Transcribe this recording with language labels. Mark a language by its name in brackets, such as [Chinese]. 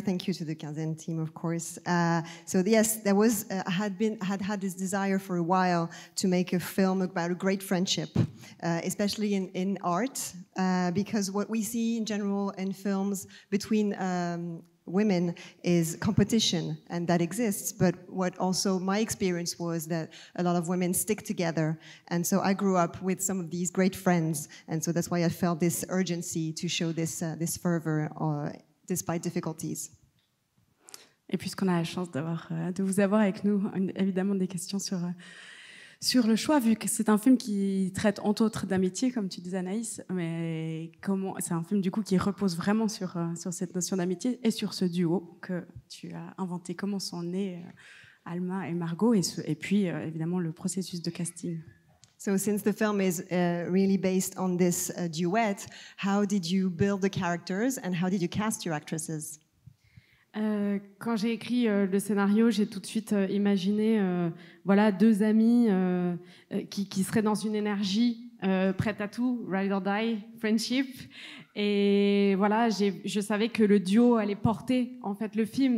[English] Thank you to the Kazen team, of course. So yes, there was had this desire for a while to make a film about a great friendship, especially in art, because what we see in general in films between women is competition, and that exists. But what also my experience was that a lot of women stick together, and so I grew up with some of these great friends, and so that's why I felt this urgency to show this this fervor despite difficulties. [French] Et puisqu'on a la chance d'avoir de vous avoir avec nous, évidemment des questions sur sur le choix, vu que c'est un film qui traite entre autres d'amitié, comme tu dis Anaïs, mais comment, c'est un film du coup qui repose vraiment sur cette notion d'amitié et sur ce duo que tu as inventé. Comment sont nés Alma et Margot et puis évidemment le processus de casting? [English] So since the film is really based on this duet, how did you build the characters and how did you cast your actresses? [French] Quand j'ai écrit le scénario, j'ai tout de suite imaginé voilà, deux amis qui seraient dans une énergie prête à tout, [English] ride or die, friendship. [French] Et voilà, je savais que le duo allait porter en fait, le film.